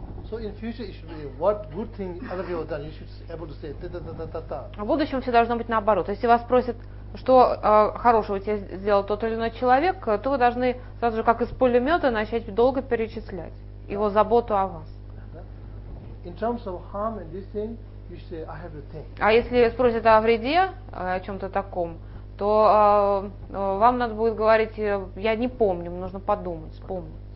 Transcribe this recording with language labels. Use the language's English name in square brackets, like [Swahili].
[English] So in future it should be what good thing other people done, you should be able to say та-та-та-та-та. [Russian] В будущем все должно быть наоборот. Если вас спросят, что хорошего тебе сделал тот или иной человек, то вы должны сразу же, как из пулемета, начать долго перечислять его заботу о вас. [English] In terms of harm and this thing, you should say, I have to think. [Russian] А если спросят о вреде, о чем-то таком, то вам надо будет говорить, я не помню, нужно подумать, вспомнить.